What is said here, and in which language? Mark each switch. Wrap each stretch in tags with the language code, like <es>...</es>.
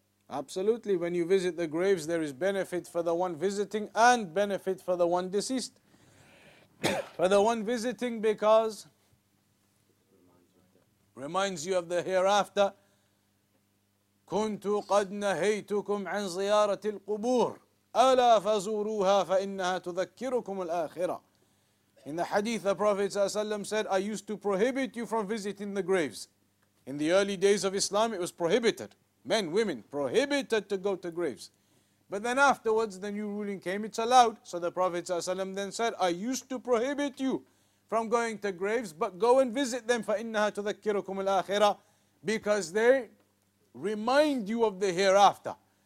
<en>Absolutely. When you visit the graves, there is benefit for the one visiting and benefit for the one deceased. For the one visiting, because reminds you of the hereafter.</en> <ar>كنت قد نهيتكم عن زيارة القبور ألا فزوروها فإنها تذكركم الآخرة.</ar> <en>In the hadith, the Prophet ﷺ said, I used to prohibit you from visiting the graves. In the early days of Islam, it was prohibited. Men, women, prohibited to go to graves. But then afterwards, the new ruling came, it's allowed. So the Prophet ﷺ then said, I used to prohibit you from going to graves, but go and visit them,</en> <ar>فَإِنَّهَا تُذَكِّرُكُمُ الْآخِرَةِ,</ar> <en>because they remind you of the hereafter.</en>